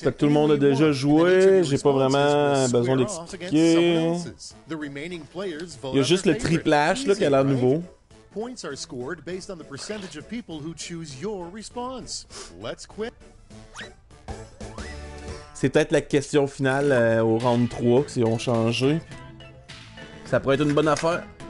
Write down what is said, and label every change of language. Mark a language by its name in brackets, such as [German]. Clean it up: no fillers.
[French] Fait que tout le monde a déjà joué, j'ai pas vraiment besoin d'expliquer. Il y a juste le triplash là qui a l'air nouveau. [English] Points are scored based on the percentage of people who choose your response. Let's quit. [French] C'est peut-être la question finale au round 3 que s'ils ont changé. Ça pourrait être une bonne affaire.